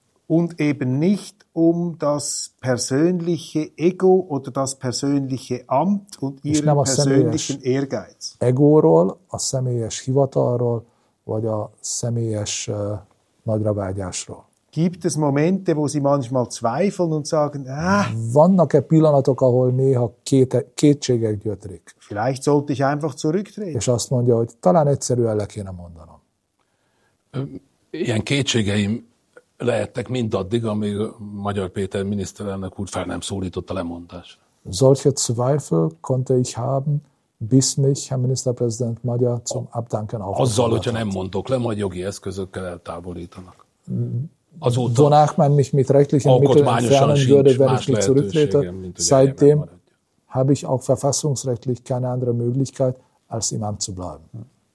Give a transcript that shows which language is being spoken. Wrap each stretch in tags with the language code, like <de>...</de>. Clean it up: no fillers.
<de>Und eben nicht um das persönliche Ego oder das persönliche Amt und ihren persönlichen Ehrgeiz.</de> <hu>Egóról, a személyes hivatalról vagy a személyes nagyravágyásról.</hu> <de>Gibt es Momente, wo Sie manchmal zweifeln und sagen,</de> <hu>Vannak-e pillanatok, ahol néha kétségek gyötrik?</hu> <de>Vielleicht sollte ich einfach zurücktreten.</de> <hu>És azt mondja, hogy talán egyszerűen le kéne mondanom. Ilyen kétségeim lehettek mindaddig, amíg Magyar Péter miniszterelnök úr fel nem szólított a lemondásra.</hu> <de>Solche Zweifel konnte ich haben, bis mich Herr Ministerpräsident Magyar zum Abdanken aufgefordert hat.</de> <hu>Azzal, hogyha nem mondok le, majd jogi eszközökkel eltávolítanak. Azóta</hu> <de>Donach man mich mit rechtlichen Mitteln entfernen würde, wenn ich nicht zurücktrete. Seitdem habe ich auch verfassungsrechtlich keine andere Möglichkeit, als im Amt zu bleiben.</de>